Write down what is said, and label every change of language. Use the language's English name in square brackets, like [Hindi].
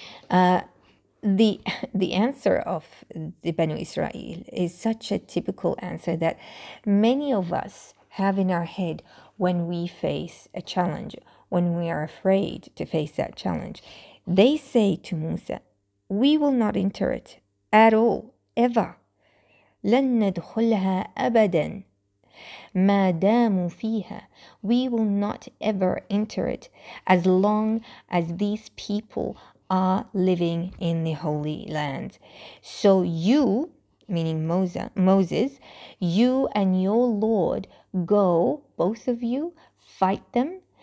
[English] The answer of the Banu Israel is such a typical answer that many of us have in our head when we face a challenge, when we are afraid to face that challenge. They say to Musa, "We will not enter it at all, ever. [Arabic] لن ندخلها أبدا ما داموا فيها. [English] We will not ever enter it as long as these people are living in the Holy Land. So you," meaning Moses, "you and your Lord go, both of you, fight them.